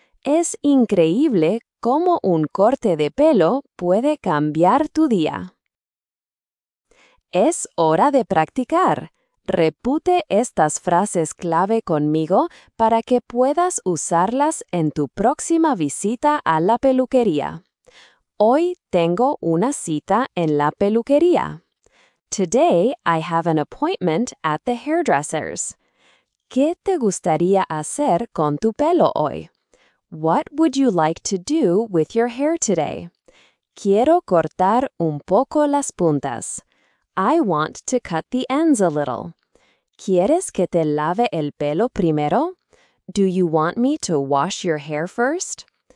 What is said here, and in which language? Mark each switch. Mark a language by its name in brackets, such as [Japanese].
[Spanish] Es increíble cómo un corte de pelo puede cambiar tu día. Es hora de practicar. Repite estas frases clave conmigo para que puedas usarlas en tu próxima visita a la peluquería. Hoy tengo una cita en la peluquería. [English] Today I have an appointment at the hairdressers. [Spanish] ¿Qué te gustaría hacer con tu pelo hoy? [English] What would you like to do with your hair today? [Spanish] Quiero cortar un poco las puntas. [English] I want to cut the ends a little. [Spanish] ¿Quieres que te lave el pelo primero? [English] Do you want me to wash your hair first?